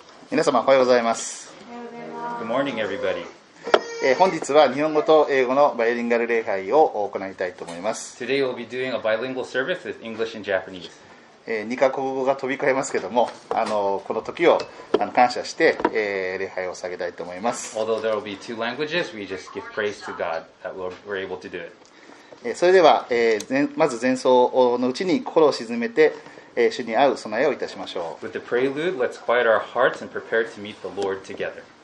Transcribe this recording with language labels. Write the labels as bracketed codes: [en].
[ja] 皆様おはようございます。 [en] Good morning, everybody. [ja] 本日は日本語と英語のバイリンガル礼拝を行いたいと思います。 [en] Today we'll be doing a bilingual service with English and Japanese. [ja] 二カ国語が飛び交いますけども、この時を感謝して礼拝を捧げたいと思います。 [en] Although there will be two languages, we just give praise to God that we're able to do it. [ja] それでは、まず前奏のうちに心を静めて主に会う備えをいたしましょう。 [en] With the prelude, let's quiet our hearts and prepare to meet the Lord together.